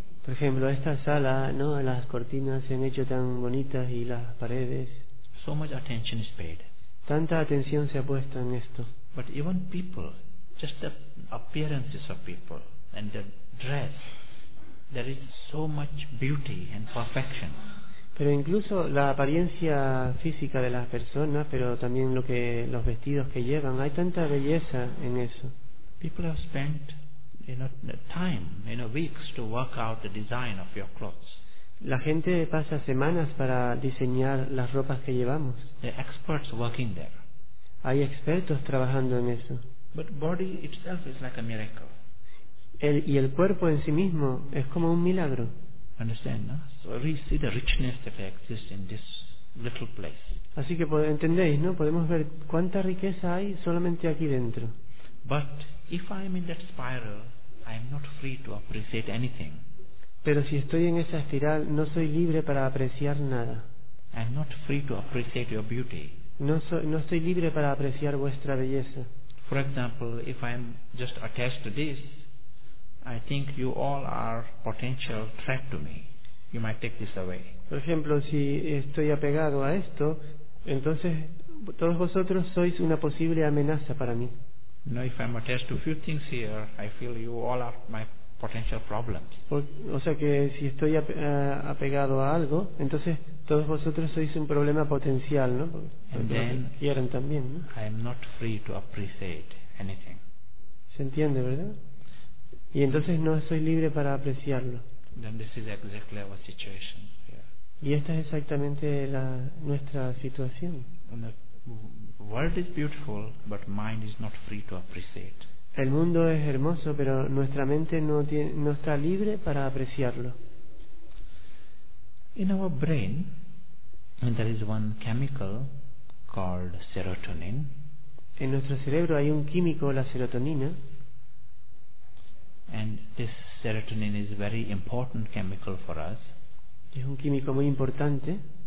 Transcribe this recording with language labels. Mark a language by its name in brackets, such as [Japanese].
[Spanish] Por ejemplo, esta sala, ¿no? Las cortinas se han hecho tan bonitas y las paredes. [English] So much attention is paid. [Spanish] Tanta atención se ha puesto en esto. [English] But even people, just the appearances of people and the dress, there is so much beauty and perfection. [Spanish] Pero incluso la apariencia física de las personas, pero también lo que los vestidos que llevan, hay tanta belleza en eso. [English] People have spent, you know, time, you know, weeks to work out the design of your clothes. [Spanish] La gente pasa semanas para diseñar las ropas que llevamos. [English] There are experts working there. [Spanish] Hay expertos trabajando en eso. [English] But body itself is like a miracle. [Spanish] Y el cuerpo en sí mismo es como un milagro. [English] Understand, no? So we see the richness that exists in this little place. [Spanish] Así que entendéis, ¿no? Podemos ver cuánta riqueza hay solamente aquí dentro. [English] But if I am in that spiral, I am not free to appreciate anything. [Spanish] Pero si estoy en esa espiral, no soy libre para apreciar nada. [English] I am not free to appreciate your beauty. [Spanish] No estoy libre para apreciar vuestra belleza. [English] For example, if I am just attached to this, I think you all are potential threat to me. You might take this away. [Spanish] Por ejemplo, si estoy apegado a esto, entonces todos vosotros sois una posible amenaza para mí. [English] No, if I'm attached to a few things here, I feel you all are my potential problems. [Spanish] O sea que si estoy apegado a algo, entonces todos vosotros sois un problema potencial, ¿no? Quieren también, ¿no? [English] I am not free to appreciate anything. [Spanish] ¿Se entiende, verdad? Y entonces no soy libre para apreciarlo. [English] Then this is exactly our situation. Yeah. [Spanish] Y esta es exactamente nuestra situación. [English] World is beautiful, but mind is not free to appreciate. [Spanish] El mundo es hermoso, pero nuestra mente no está libre para apreciarlo. [English] In our brain, there is one chemical called serotonin. [Spanish] En nuestro cerebro hay un químico, la serotonina. [English] And this serotonin is a very important chemical for us. [Spanish] Es un químico muy importante.